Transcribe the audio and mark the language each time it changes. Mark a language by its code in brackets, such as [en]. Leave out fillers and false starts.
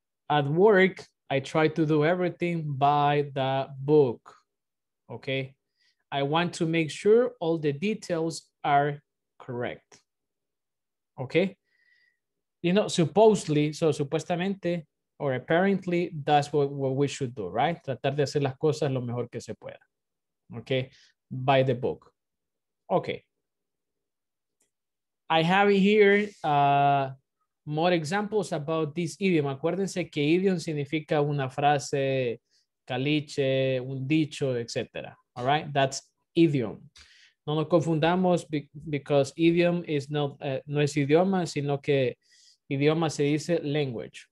[en] At work, I try to do everything by the book. Okay. I want to make sure all the details are correct. Okay. You know, supposedly, so supuestamente, or apparently, that's what we should do, right? [es] Tratar de hacer las cosas lo mejor que se pueda. [en] Okay. By the book. Okay. I have here more examples about this idiom. [es] Acuérdense que idiom significa una frase, caliche, un dicho, etc. [en] All right, that's idiom. [es] No nos confundamos [en] because idiom is not, [es] no es idioma, sino que idioma se dice language.